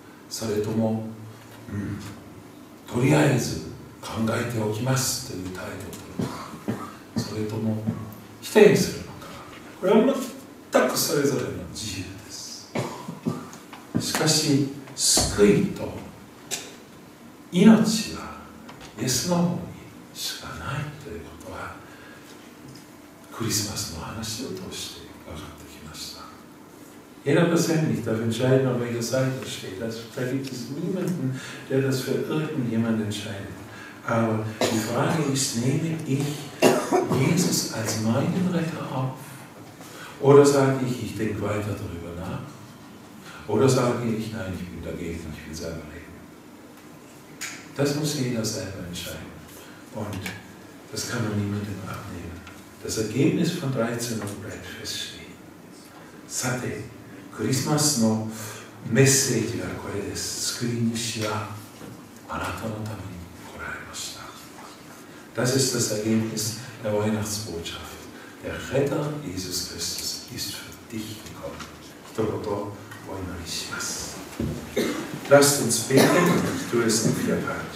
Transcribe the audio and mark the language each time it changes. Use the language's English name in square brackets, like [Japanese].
[Japanese] それとも、とりあえず考えておきますという態度を取るのか、それとも否定するのか、これは全くそれぞれの自由です。しかし、救いと命はイエスの方にしかないということは、クリスマスの話を通して分かってきました。 [German] Jeder persönlich darf entscheiden, auf welcher Seite er steht. Also, da gibt es niemanden, der das für irgendjemanden entscheidet. Aber die Frage ist, nehme ich Jesus als meinen Retter auf? Oder sage ich, ich denke weiter darüber nach? Oder sage ich, nein, ich bin dagegen, ich will selber leben? Das muss jeder selber entscheiden. Und das kann man niemandem abnehmen. Das Ergebnis von 13 Uhr bleibt feststehen. Sate. [Japanese] クリスマスのメッセージはこれです。救い主はあなたのために来られました。 [German] Das ist das Ergebnis der Weihnachtsbotschaft. Der Retter Jesus Christus ist für dich gekommen. [Japanese] 一言お祈りします。 [German] Lasst uns beten, ich tue es in vier Parts.